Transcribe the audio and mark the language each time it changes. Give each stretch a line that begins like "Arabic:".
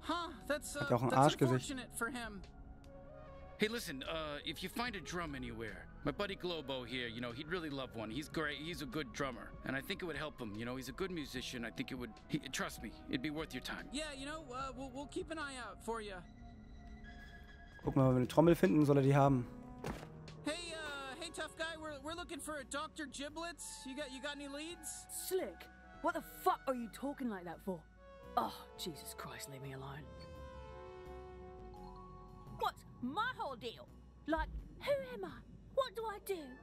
English: Huh, that's unfortunate for him. Hey, listen, if you find a drum anywhere, my buddy Globo here, you know, he'd really love one. He's great. He's a good drummer. And I think it would help him. You know, he's a good musician. I think it would... trust me, it'd be worth your time. Yeah, you know, we'll keep an eye out for you.
German: Guck mal, wenn wir eine Trommel finden, soll er die haben.
English: Hey, hey, tough guy, we're looking for a Dr. Giblets. You got any leads? Slick, what the fuck are you talking like that for? Oh, Jesus Christ, leave me alone. What's my whole deal? Like, who am I? What do I do?